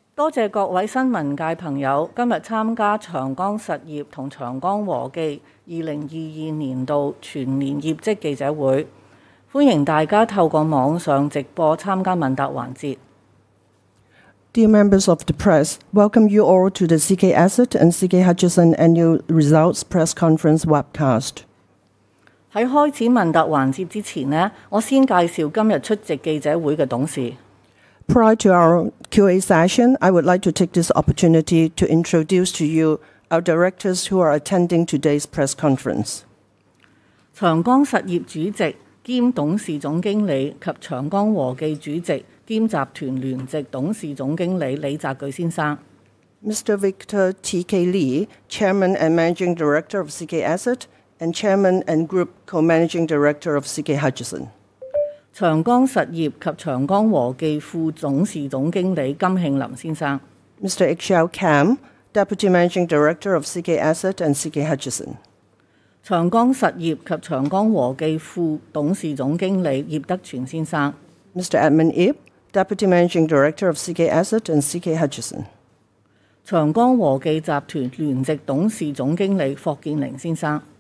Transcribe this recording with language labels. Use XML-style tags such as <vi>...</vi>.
<zh>多謝各位新聞界朋友今日參加長江實業和長江和記2022年度全年業績記者會，歡迎大家透過網上直播參加問答環節。</zh> <en>Dear members of the press, welcome you all to the CK Asset and CK Hutchison Annual Results Press Conference Webcast.</en> <zh>在開始問答環節之前，我先介紹今日出席記者會的董事。</zh> <en>Prior to our Q&A session, I would like to take this opportunity to introduce to you our directors who are attending today's press conference.</en> <zh>長江實業主席兼董事總經理及長江和記主席兼集團聯席董事總經理李澤鉅先生。</zh> <en>Mr. Victor T.K. Lee, Chairman and Managing Director of CK Asset and Chairman and Group Co-Managing Director of CK Hutchison.</en> <zh>長江實業及長江和記副董事總經理金慶林先生。</zh> <en>Mr. H.L. Kam, Deputy Managing Director of CK Asset and CK Hutchison.</en> <zh>長江實業及長江和記副董事總經理葉德全先生。</zh> <en>Mr. Edmund Ip, Deputy Managing Director of CK Asset and CK Hutchison.</en> <zh>長江和記集團聯席董事總經理霍建寧先生。</zh>